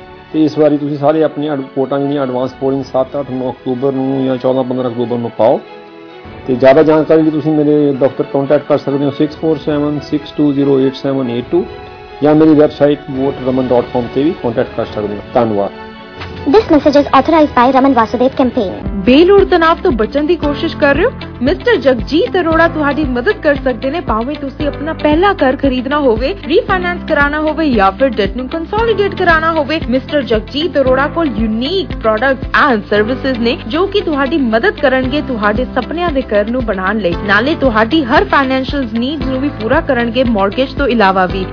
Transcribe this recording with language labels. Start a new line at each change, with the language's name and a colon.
Punjabi: ਅਤੇ ਇਸ ਵਾਰੀ ਤੁਸੀਂ ਸਾਰੇ ਆਪਣੀਆਂ ਵੋਟਾਂ ਜਿਹੜੀਆਂ ਐਡਵਾਂਸ ਪੋਲਿੰਗ 7-8-9 ਅਕਤੂਬਰ ਨੂੰ ਜਾਂ 14-15 ਅਕਤੂਬਰ ਨੂੰ ਪਾਓ। ਅਤੇ ਜ਼ਿਆਦਾ ਜਾਣਕਾਰੀ ਵੀ ਤੁਸੀਂ ਮੇਰੇ ਦਫ਼ਤਰ ਕੋਂਟੈਕਟ ਕਰ ਸਕਦੇ ਹੋ 6476208782, ਜਾਂ ਮੇਰੀ ਵੈਬਸਾਈਟ voterraman.com ਤੇ ਵੀ ਕੋਂਟੈਕਟ ਕਰ ਸਕਦੇ ਹੋ। ਧੰਨਵਾਦ।
English: This message is authorized by Raman Vasudev campaign.
Punjabi: ਬੇਲੋੜ ਤਣਾਅ ਤੋਂ ਬਚਣ ਦੀ ਕੋਸ਼ਿਸ਼ ਕਰ ਰਹੇ ਹੋ? ਮਿਸਟਰ ਜਗਜੀਤ ਅਰੋੜਾ ਤੁਹਾਡੀ ਮਦਦ ਕਰ ਸਕਦੇ ਨੇ। ਭਾਵੇਂ ਤੁਸੀਂ ਆਪਣਾ ਪਹਿਲਾ ਘਰ ਖਰੀਦਣਾ ਹੋਵੇ, ਰੀਫਾਈਨਾਂਸ ਕਰਾਉਣਾ ਹੋਵੇ ਜਾਂ ਫਿਰ ਡੈਟ ਨੂੰ ਕੰਸੋਲੀਡੇਟ ਕਰਾਉਣਾ ਹੋਵੇ, ਮਿਸਟਰ ਜਗਜੀਤ ਅਰੋੜਾ ਕੋਲ ਯੂਨੀਕ ਪ੍ਰੋਡਕਟਸ ਐਂਡ ਸਰਵਿਸਿਜ਼ ਨੇ ਜੋ ਕਿ ਤੁਹਾਡੀ ਮਦਦ ਕਰਨਗੇ ਤੁਹਾਡੇ ਸੁਪਨਿਆਂ ਦੇ ਘਰ ਨੂੰ ਬਣਾਉਣ ਲਈ, ਨਾਲੇ ਤੁਹਾਡੀ ਹਰ ਫਾਈਨੈਂਸ਼ੀਅਲ ਨੀਡ ਨੂੰ ਵੀ ਪੂਰਾ ਕਰਨਗੇ ਮੋਰਗੇਜ ਤੋਂ ਇਲਾਵਾ ਵੀ।